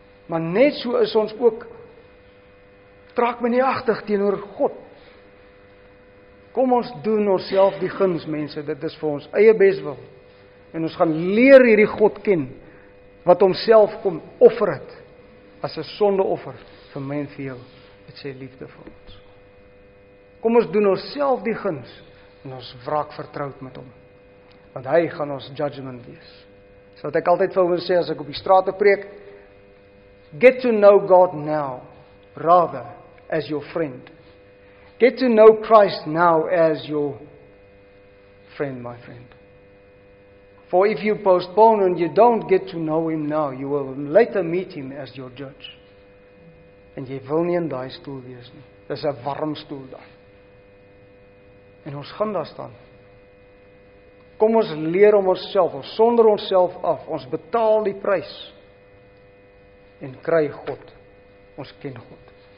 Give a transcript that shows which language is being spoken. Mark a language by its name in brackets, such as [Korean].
[Afrikaans] Maar net so is ons ook, traak my nie agtig teenoor God. Kom ons doen ons self die guns, mense, dit is vir ons eie beswil. En ons gaan leer hierdie God ken, wat homself kom offer het, as 'n sondeoffer vir my en vir jou, het sy liefde vir ons. Kom ons doen ons self die guns, en ons wraak vertrouwd met hom. Want hy gaan ons judgment wees. So wat ek altyd vir hom sê, as ek op die straat preek, [English] get to know God now, rather as your friend. Get to know Christ now as your friend, my friend. For if you postpone and you don't get to know Him now, you will later meet Him as your judge. [Afrikaans] En jy wil nie in die stoel wees nie. Dis 'n warm stoel daar. En ons gaan daar staan. Kom ons leer om onsself, ons sonder onsself af, ons betaal die prys. En kry God. Ons ken God.